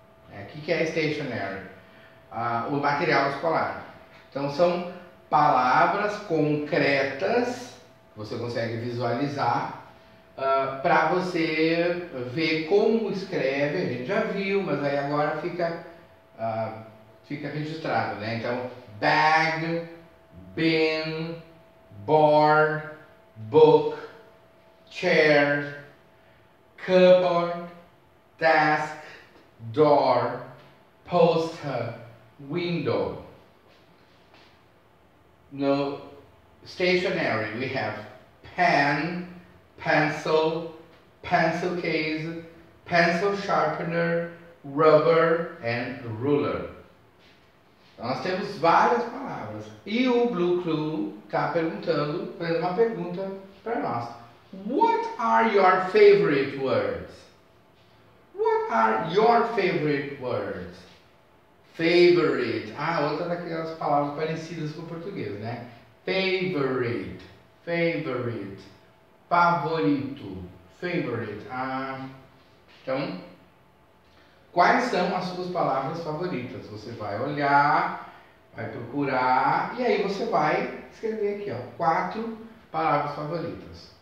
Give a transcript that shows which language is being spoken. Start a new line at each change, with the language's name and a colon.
Portuguese: O que é stationery? O material escolar. Então, são palavras concretas, você consegue visualizar, para você ver como escreve. A gente já viu, mas aí agora fica registrado, né? Então, bag, bin, board, book, chair, cupboard, desk, door, poster, window.
English: No stationery, we have pen, pencil, pencil case, pencil sharpener, rubber and ruler.
Portuguese: Então, nós temos várias palavras. E o Blue Clue está perguntando, fazendo uma pergunta para nós.
English: What are your favorite words? What are your favorite words? Favorite.
Portuguese: Ah, outra daquelas palavras parecidas com o português, né?
English: Favorite. Favorite. Favorito. Favorite. Ah.
Portuguese: Então, quais são as suas palavras favoritas? Você vai olhar, vai procurar e aí você vai escrever aqui, ó, quatro palavras favoritas.